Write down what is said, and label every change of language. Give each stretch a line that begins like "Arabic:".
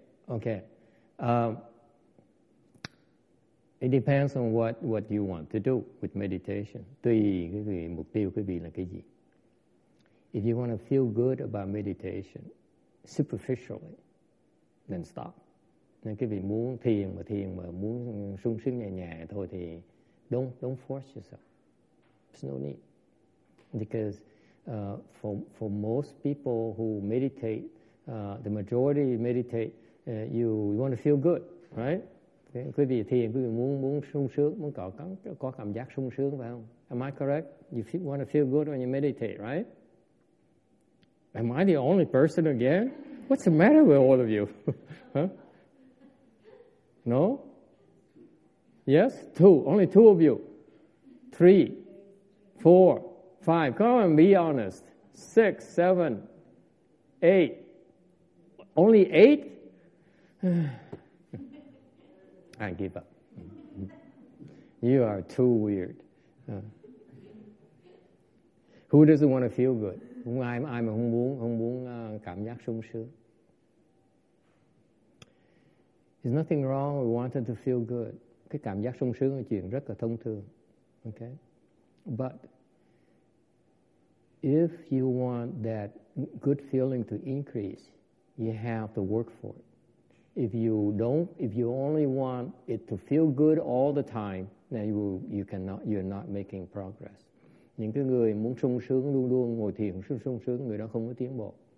English: Okay. It depends on what you want to do with meditation.
Vietnamese: Tùy cái mục tiêu quý vị là cái gì.
English: If you want to feel good about meditation, superficially, then stop.
Vietnamese: Nên quý vị muốn thiền mà muốn sung sướng nhẹ nhàng thôi thì
English: don't force yourself. There's no need. Because for most people who meditate, the majority meditate, you want to feel good, right?
Vietnamese: Quý vị thiền, quý vị muốn sung sướng, muốn có cảm giác sung sướng, phải không?
English: Am I correct? You want to feel good when you meditate, right? Am I the only person again? What's the matter with all of you? Huh? No? Yes? Two. Only two of you. Three. Four. Five. Come on, be honest. Six. Seven. Eight. Only eight? I give up. You are too weird. Who doesn't want to feel good?
Vietnamese: Ai mà không muốn cảm giác sung sướng?
English: There's nothing wrong with wanting to feel good.
Vietnamese: Cái cảm giác sung sướng là chuyện rất là thông thường.
English: Okay? But if you want that good feeling to increase, you have to work for it. If you only want it to feel good all the time, then you're not making progress.
Vietnamese: Những cái người muốn sung sướng luôn luôn ngồi thiền sung sướng, người đó không có tiến bộ.